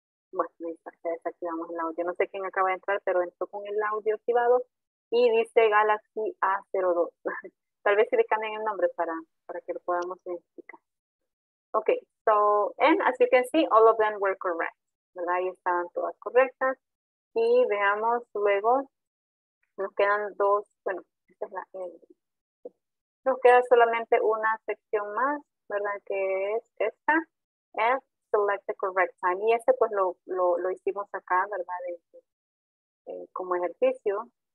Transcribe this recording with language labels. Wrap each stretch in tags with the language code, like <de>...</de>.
<es>Bueno, ahí está, ya desactivamos el audio. No sé quién acaba de entrar, pero entró con el audio activado. Y dice Galaxy A02. Tal vez si le cambien el nombre para que lo podamos identificar.</es> <en>Ok, so, and as you can see, all of them were correct.</en> <es>¿Verdad? Y estaban todas correctas. Y veamos luego, nos quedan dos, bueno, esta es la L. Nos queda solamente una sección más, ¿verdad? Que es esta, F,</es> <en>select the correct time.</en> <es>Y este pues lo hicimos acá, ¿verdad? Como ejercicio.</es>